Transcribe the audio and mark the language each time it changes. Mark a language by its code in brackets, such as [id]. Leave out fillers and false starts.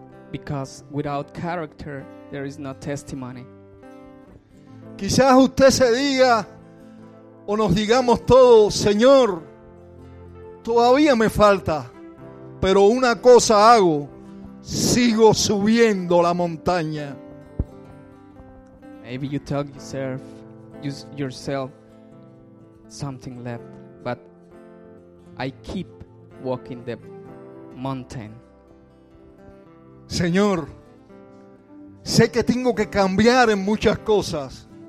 [en] Because without character there is no testimony. [es] Quizás usted se diga o nos digamos todos, Señor, todavía me falta, pero una cosa hago, sigo subiendo la montaña. [en] Maybe you tell yourself, something left, but I keep walking the mountain. [es] Señor, sé que tengo que cambiar en muchas cosas.